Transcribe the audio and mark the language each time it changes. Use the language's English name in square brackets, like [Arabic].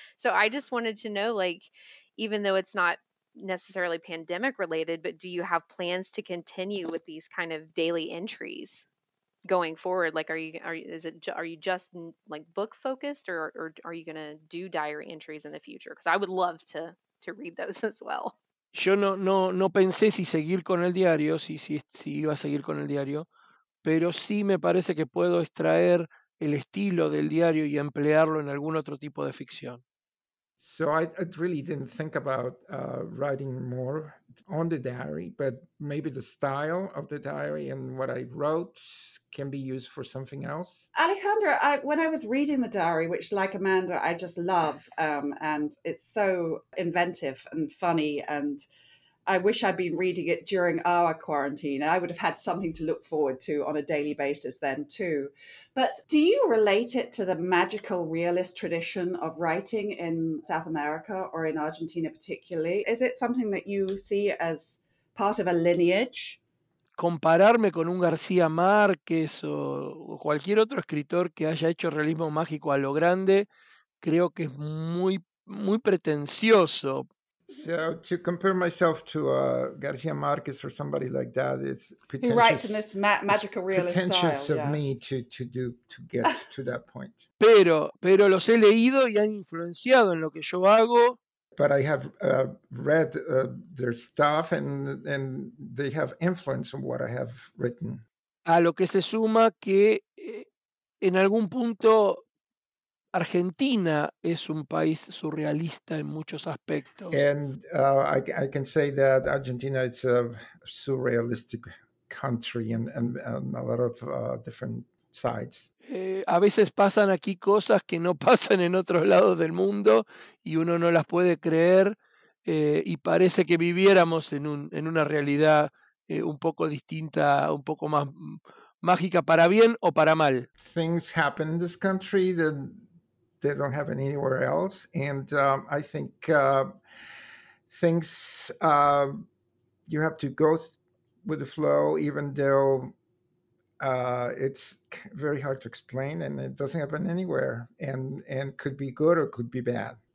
[English] So I just wanted to know, like, even though it's not necessarily pandemic related, but do you have plans to continue with these kind of daily entries going forward? Like, are you just book focused, or are you going to do diary entries in the future? Because I would love to read those as well. [Spanish] Yo no pensé si seguir con el diario, si iba a seguir con el diario. Pero sí me parece que puedo extraer el estilo del diario y emplearlo en algún otro tipo de ficción. [English] So I really didn't think about writing more on the diary, but maybe the style of the diary and what I wrote can be used for something else. Alejandra, when I was reading the diary, which, like Amanda, I just love, and it's so inventive and funny, and I wish I'd been reading it during our quarantine. I would have had something to look forward to on a daily basis then too. But do you relate it to the magical realist tradition of writing in South America or in Argentina particularly? Is it something that you see as part of a lineage? [Spanish] Compararme con un García Márquez o cualquier otro escritor que haya hecho realismo mágico a lo grande, creo que es muy, muy pretencioso. [English] So to compare myself to García Márquez or somebody like that is pretentious. Who writes in this magical realist style. Pretentious style, of yeah. me to get to that point. [Spanish] Pero los he leído y han influenciado en lo que yo hago. [English] But I have read their stuff and they have influence on what I have written. [Spanish] A lo que se suma que en algún punto Argentina es un país surrealista en muchos aspectos. [English] And I can say that Argentina is a surrealistic country and a lot of different sides. [Spanish] A veces pasan aquí cosas que no pasan en otros lados del mundo y uno no las puede creer, y parece que viviéramos en una realidad un poco distinta, un poco más mágica, para bien o para mal. [English] Things happen in this country that they don't happen anywhere else. And I think things, you have to go with the flow, even though it's very hard to explain and it doesn't happen anywhere and could be good or could be bad.